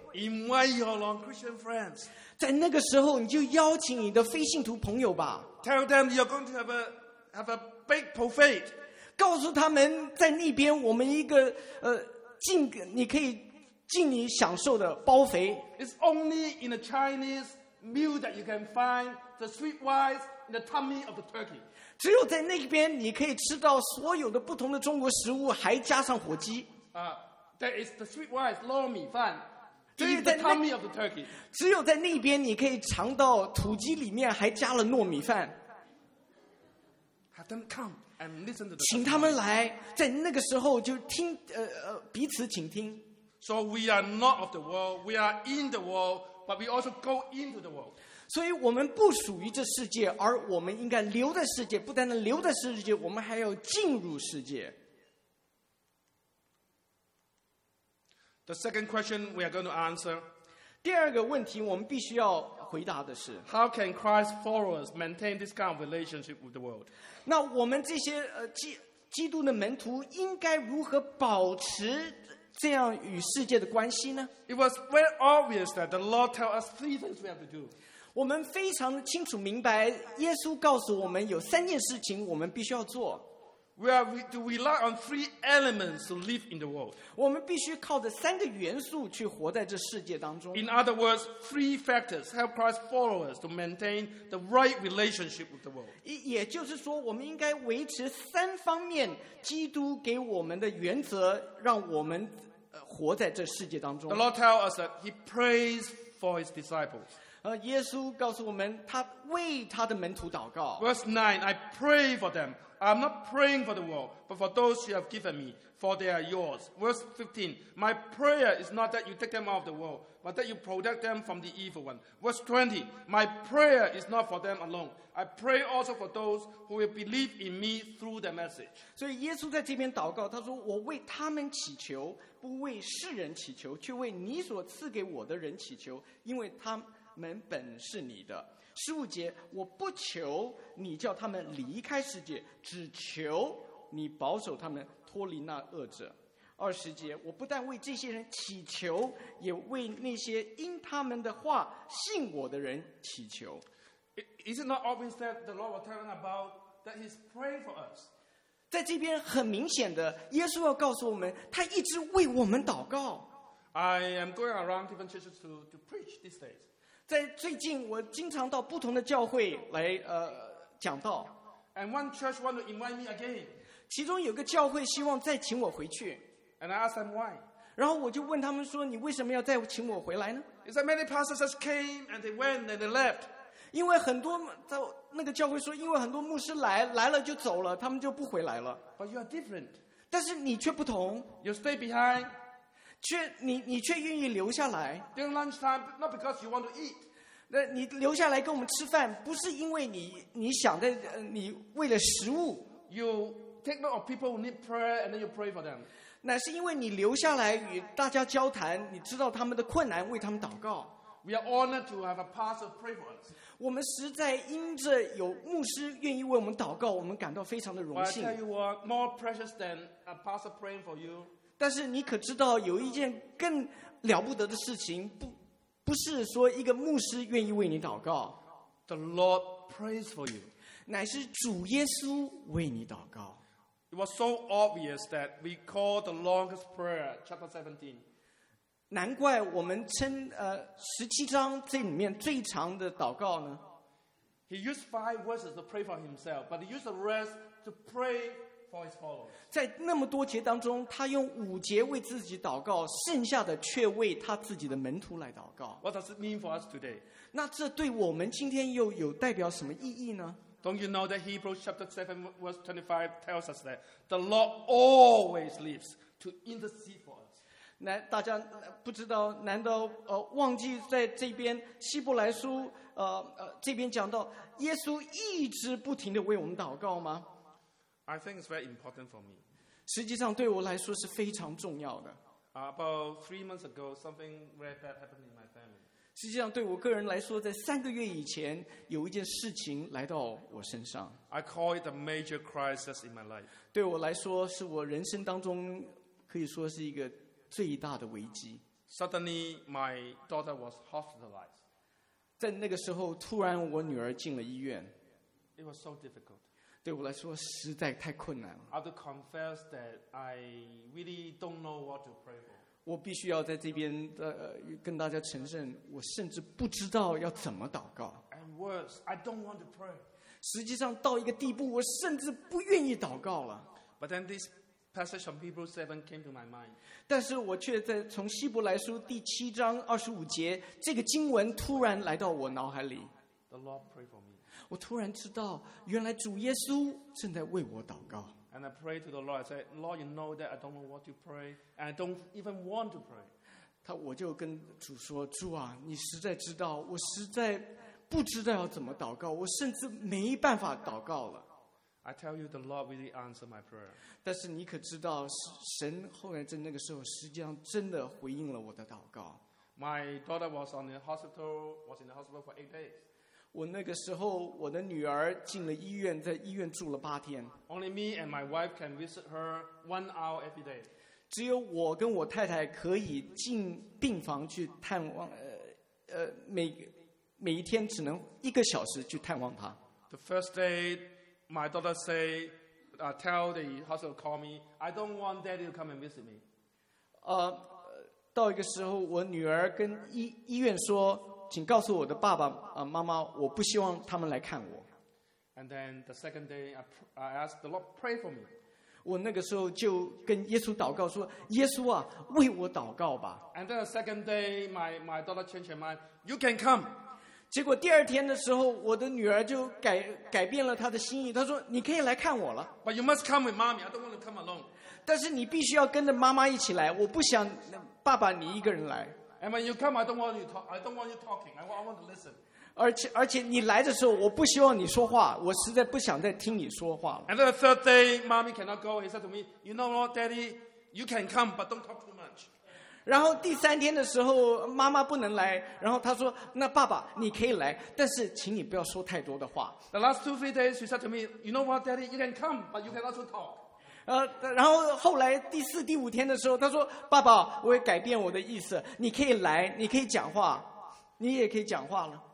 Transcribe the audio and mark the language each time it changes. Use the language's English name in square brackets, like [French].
[English] Invite your non-Christian friends. [Chinese] 在那个时候，你就邀请你的非信徒朋友吧。 [English] Tell them you're going to have a big buffet. [Chinese] 告诉他们在那边我们一个尽你可以尽你享受的包肥。 [English] It's only in a Chinese meal that you can find the sweet rice in the tummy of the turkey. [Chinese] 只有在那边你可以吃到所有的不同的中国食物还加上火鸡。 [English] That is the sweet rice, 糯米饭。 [Chinese] 只有在 [English] the tummy of the turkey. [Chinese] 只有在那边你可以尝到土鸡里面还加了糯米饭。 [English] Have them come and listen to the [Chinese] 请他们来在那个时候就听彼此请听。 [English] So we are not of the world, we are in the world, but we also go into the world. [Chinese] 所以我们不属于这世界而我们应该留在世界不但能留在世界我们还要进入世界 [English] The second question we are going to answer [Chinese] 第二个问题我们必须要回答的是 [English] How can Christ's followers maintain this kind of relationship with the world? [Chinese] 那我们这些基督的门徒应该如何保持这样与世界的关系呢 [English] It was very obvious that the Lord told us three things we have to do [Chinese] 我们非常清楚明白耶稣告诉我们有三件事情我们必须要做 [English] We are to rely on three elements to live in the world [Chinese] 我们必须靠着三个元素去活在这世界当中 [English] In other words, three factors help Christ's followers to maintain the right relationship with the world [Chinese] 也就是说我们应该维持三方面基督给我们的原则让我们活在这世界当中 [English] The Lord tells us that he prays for his disciples [Chinese] 耶稣告诉我们他为他的门徒祷告 [English] Verse 9 I pray for them I'm not praying for the world but for those you have given me for they are yours Verse 15 My prayer is not that you take them out of the world but that you protect them from the evil one Verse 20 My prayer is not for them alone I pray also for those who will believe in me through the message [Chinese] 所以耶稣在这边祷告他说我为他们祈求不为世人祈求却为你所赐给我的人祈求因为他们门本是你的十五节我不求你叫他们离开世界只求你保守他们脱离那恶者二十节我不但为这些人祈求也为那些因他们的话信我的人祈求 [English] Is it not obvious that the Lord was telling about that he's praying for us [Chinese] 在这边很明显的耶稣要告诉我们他一直为我们祷告 [English] I am going around different churches to preach these days [Chinese] 在最近我经常到不同的教会来讲道 [English] And one church want to invite me again. [Chinese] 其中有个教会希望再请我回去 [English] And I asked them why. [Chinese] 然后我就问他们说你为什么要再请我回来呢 [English] It's that many pastors just came and they went and they left. [Chinese] 因为很多在那个教会说因为很多牧师来了就走了他们就不回来了 [English] But you are different. [Chinese] 但是你却不同 [English] You stay behind. [Chinese] 你却愿意留下来 [English] During lunchtime, not because you want to eat. [Chinese] 那你留下来跟我们吃饭不是因为你想的你为了食物 [English] You take note of people who need prayer and then you pray for them. [Chinese] 那是因为你留下来与大家交谈你知道他们的困难为他们祷告 [English] We are honored to have a pastor pray for us. [Chinese] 我们实在因着有牧师愿意为我们祷告我们感到非常的荣幸 [English] I tell you what, more precious than a pastor praying for you. [Chinese] 但是你可知道有一件更了不得的事情 不是说一个牧师愿意为你祷告 [English] The Lord prays for you [Chinese] 乃是主耶稣为你祷告 [English] It was so obvious that we call the longest prayer chapter 17 [Chinese] 难怪我们称十七章这里面最长的祷告呢 [English] He used five verses to pray for himself but he used the rest to pray for himself [Chinese] 在那么多节当中他用五节为自己祷告剩下的却为他自己的门徒来祷告 [English] What does it mean for us today? [Chinese] 那这对我们今天又有代表什么意义呢 [English] Don't you know that Hebrews chapter 7 verse 25 tells us that the Lord always lives to intercede for us [Chinese] 大家不知道难道忘记在这边希伯来书这边讲到耶稣一直不停地为我们祷告吗 [English] I think it's very important for me. [Chinese] 实际上对我来说是非常重要的。 [English] About 3 months ago, something very bad happened in my family. [Chinese] 实际上对我个人来说，在三个月以前有一件事情来到我身上。 [English] I call it a major crisis in my life. [Chinese] 对我来说是我人生当中可以说是一个最大的危机。 [English] Suddenly my daughter was hospitalized. [Chinese] 在那个时候突然我女儿进了医院。 [English] It was so difficult. [Chinese] 对我来说实在太困难了。 [English] I have to confess that I really don't know what to pray for. [Chinese] 我必须要在这边跟大家承认，我甚至不知道要怎么祷告。 [English] And worse, I don't want to pray. [Chinese] 实际上到一个地步，我甚至不愿意祷告了。 [English] But then this passage from Hebrews 7 came to my mind. [Chinese] 但是我却在从希伯来书第七章二十五节这个经文突然来到我脑海里。 [English] The Lord prayed for me. [Chinese] 我突然知道，原来主耶稣正在为我祷告。 [English] And I pray to the Lord. I say, Lord, you know that I don't know what to pray, and I don't even want to pray. [Chinese] 他我就跟主说，主啊，你实在知道，我实在不知道要怎么祷告，我甚至没办法祷告了。 [English] I tell you, the Lord really answered my prayer. [Chinese] 但是你可知道，神后来在那个时候，实际上真的回应了我的祷告。 [English] My daughter was on the hospital. Was in the hospital for 8 days. [Chinese] 我那个时候，我的女儿进了医院，在医院住了八天。 [English] Only me and my wife can visit her 1 hour every day. [Chinese] 只有我跟我太太可以进病房去探望，每一天只能一个小时去探望她。 [English] The first day, my daughter said, "Tell the hospital call me. I don't want daddy to come and visit me." [Chinese] 到一个时候，我女儿跟医院说。请告诉我的爸爸、妈妈，我不希望他们来看我。 [English] And then the second day, I asked the Lord pray for me. [Chinese] 我那个时候就跟耶稣祷告说：“耶稣啊，为我祷告吧。 [English] ”And then the second day, my daughter changed her mind. You can come. [Chinese] 结果第二天的时候，我的女儿就改变了她的心意。她说：“你可以来看我了。 [English] ”But you must come with mommy. I don't want to come alone. [Chinese] 但是你必须要跟着妈妈一起来，我不想爸爸你一个人来。 [English] And when you come, I don't want you talking. I want to listen. [Chinese] 而且你来的时候，我不希望你说话，我实在不想再听你说话了。 [English] And then the third day, mommy cannot go. He said to me, "You know what, daddy? You can come, but don't talk too much." [Chinese] 然后第三天的时候，妈妈不能来，然后她说，那爸爸你可以来，但是请你不要说太多的话。 [English] The last two, three days, she said to me, "You know what, daddy? You can come, but you can also talk." [Chinese] 然后后来第四、第五天的时候，他说：“爸爸，我也改变我的意思，你可以来，你可以讲话，你也可以讲话了。